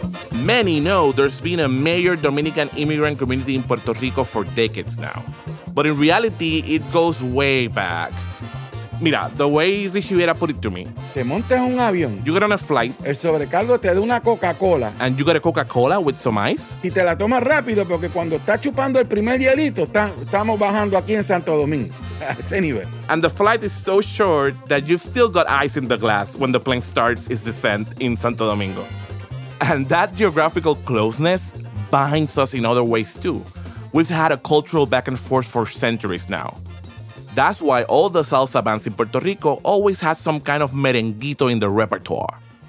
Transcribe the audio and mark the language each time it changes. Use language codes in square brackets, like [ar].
[en] Many know there's been a major Dominican immigrant community in Puerto Rico for decades now. But in reality, it goes way back. Mira, the way Richie Viera put it to me. [es] Te montes un avión. [en] You get on a flight. [es] El sobrecargo te da una Coca-Cola. [en] And you get a Coca-Cola with some ice. [es] Y te la tomas rápido porque cuando estás chupando el primer hielito, estamos bajando aquí en Santo Domingo. Ese nivel. [en] And the flight is so short that you've still got ice in the glass when the plane starts its descent in Santo Domingo. And that geographical closeness binds us in other ways too. We've had a cultural back and forth for centuries now. That's why all the salsa bands in Puerto Rico always had some kind of merenguito in their repertoire.